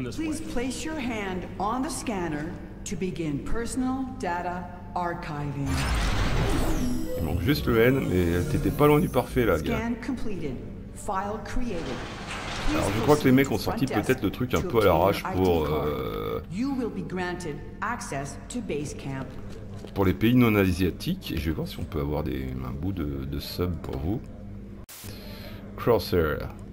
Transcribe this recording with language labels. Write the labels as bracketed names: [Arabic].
[English] Please place your hand on the scanner. To begin personal data archiving. [French] Il manque juste le N, mais t'étais pas loin du parfait là, gars. [English] Scan completed. File created. [French] Alors je crois que les mecs ont sorti peut-être le truc un peu à l'arrache pour... [English] You will be granted access to base camp. [French] Pour les pays non asiatiques, et je vais voir si on peut avoir un bout de sub pour vous. Crosshair.